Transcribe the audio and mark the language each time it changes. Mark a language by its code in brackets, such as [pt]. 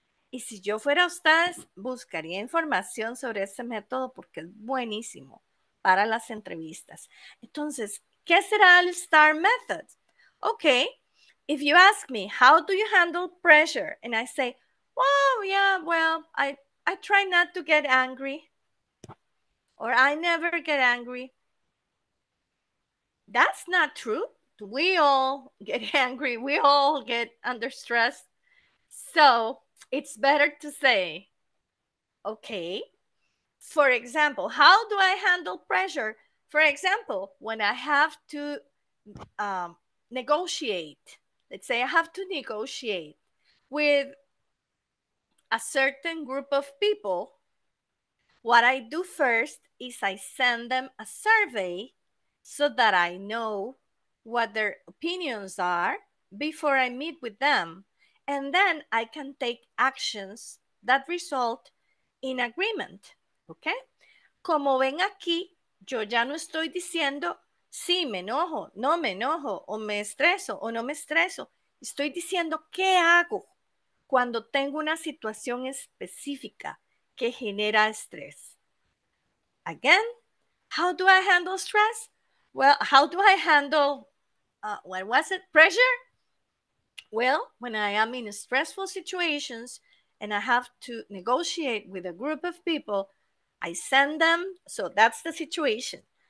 [es] Y si yo fuera ustedes, buscaría información sobre ese método porque es buenísimo para las entrevistas. Entonces, ¿qué será el STAR method? [en] Okay, if you ask me, how do you handle pressure? And I say, I try not to get angry, or I never get angry. That's not true. We all get angry. We all get under stress. So it's better to say, okay, For example, how do I handle pressure? For example, when I have to negotiate, let's say I have to negotiate with a certain group of people, what I do first is I send them a survey so that I know what their opinions are before I meet with them. And then I can take actions that result in agreement. Okay? [es] Como ven aquí, yo ya no estoy diciendo, sí, me enojo, no me enojo, o me estreso, o no me estreso. Estoy diciendo, ¿qué hago cuando tengo una situación específica que genera estrés? [en] Again, how do I handle stress? Well, how do I handle, what was it, pressure? Well, when I am in stressful situations and I have to negotiate with a group of people, I send them, so that's the situation.